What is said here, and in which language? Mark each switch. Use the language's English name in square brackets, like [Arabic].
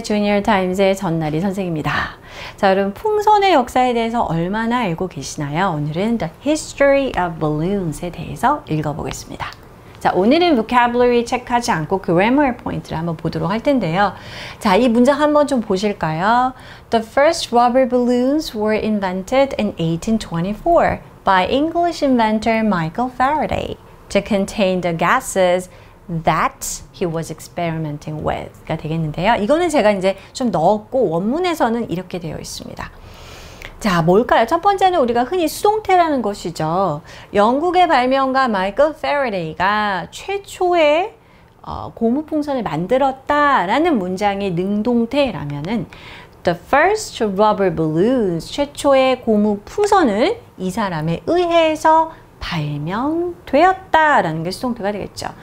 [Korean] 주니어 타임즈의 전나리 선생입니다. 자, 여러분, 풍선의 역사에 대해서 얼마나 알고 계시나요? 오늘은 The History of Balloons에 대해서 읽어보겠습니다. 자, 오늘은 vocabulary 체크하지 않고 grammar point를 한번 보도록 할 텐데요. 자, 이 문장 한번 좀 보실까요? [English] The first rubber balloons were invented in 1824 by English inventor Michael Faraday to contain the gases that he was experimenting with 가 되겠는데요. [Korean] 이거는 제가 이제 좀 넣었고 원문에서는 이렇게 되어 있습니다. 자, 뭘까요? 첫 번째는 우리가 흔히 수동태라는 것이죠. 영국의 발명가 마이클 페러데이가 최초의 고무풍선을 만들었다라는 문장이 능동태라면은 The first rubber balloons, 최초의 고무풍선을 이 사람에 의해서 발명되었다 라는 게 수동태가 되겠죠.